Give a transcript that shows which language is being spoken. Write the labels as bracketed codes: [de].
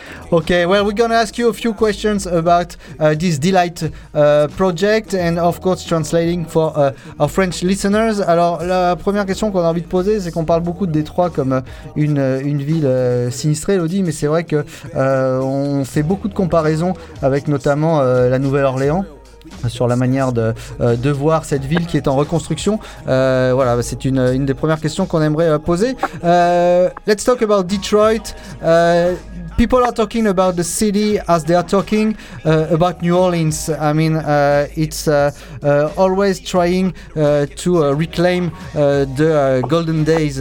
[en] Okay, well, we're going to ask you a few questions about this D-Light project and, of course, translating for our French listeners. [fr] Alors, la première question qu'on a envie de poser, c'est qu'on parle beaucoup de Détroit comme une ville sinistrée, Elodie, mais c'est vrai que on fait beaucoup de comparaisons avec notamment la Nouvelle-Orléans, sur la manière de voir cette ville qui est en reconstruction. Voilà, c'est une des premières questions qu'on aimerait poser. [en] Let's talk about Detroit. People are talking about the city as they are talking about New Orleans. I mean, it's always trying to reclaim the golden days.